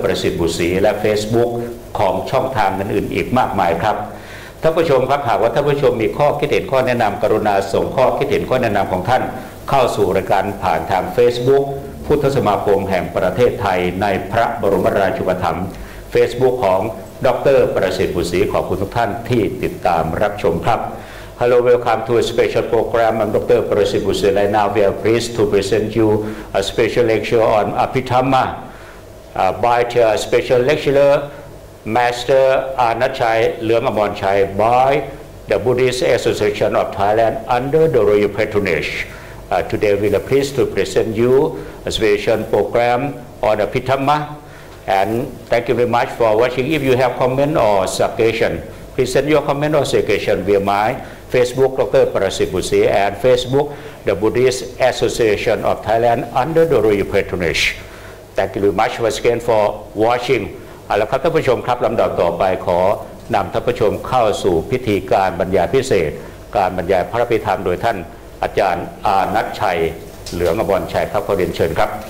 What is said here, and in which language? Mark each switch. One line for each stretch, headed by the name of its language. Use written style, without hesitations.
Thai: ประสิทธิ์บุตรศรีและ Facebook ของช่องทางนั้นอื่นอีกมากมายครับท่านผู้ชมครับหากว่าท่านผู้ชมมีข้อคิดเห็นข้อแนะนำกรุณาส่งข้อคิดเห็นข้อแนะนำของท่านเข้าสู่รายการผ่านทาง Facebook พุทธสมาคมแห่งประเทศไทยในพระบรมราชูปถัมภ์ Facebook ของดร. ประสิทธิ์บุตรศรีขอบคุณทุกท่านที่ติดตามรับชมครับ
English: Hello, welcome to a special program. I'm Dr. Prasit Bhusri. And now we are pleased to present you a special lecture on Abhidhamma by the special lecturer, Master Anachai Leung Amonchai by the Buddhist Association of Thailand under the royal patronage. Today we are pleased to present you a special program on Abhidhamma. And thank you very much for watching. If you have comment or suggestion, please send your comment or suggestion via my Facebook, Dr. Prasit Bhusri, and Facebook, the Buddhist Association of Thailand under the royal patronage. Thank you very much once again for watching.
Thai: เอาละครับท่านผู้ชมครับลำดับต่อไปขอนำท่านผู้ชมเข้าสู่พิธีการบรรยายพิเศษการบรรยายพระพิธรรมโดยท่านอาจารย์อานัชชัยเหลืองอมรชัยครับขอเรียนเชิญครับ